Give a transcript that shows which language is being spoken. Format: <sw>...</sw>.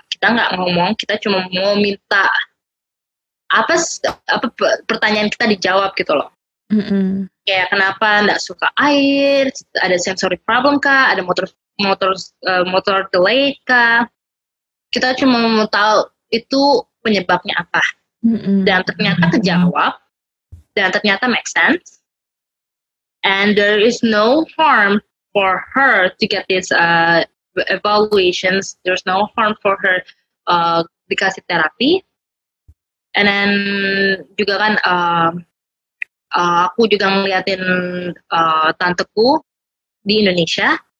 <id>Kita nggak ngomong, kita cuma mau minta apa pertanyaan kita dijawab gitu loh. Mm-hmm. Kayak kenapa nggak suka air? Ada sensory problem kah? Ada motor delay kah? Kita cuma mau tahu itu penyebabnya apa. Mm-hmm. Dan ternyata kejawab, dan ternyata make sense.</id> <en>And there is no harm for her to get these evaluations. There's no harm for her</en> <id>dikasih terapi.</id> <en>And then</en> <id>juga kan aku juga ngeliatin tanteku di Indonesia.</id>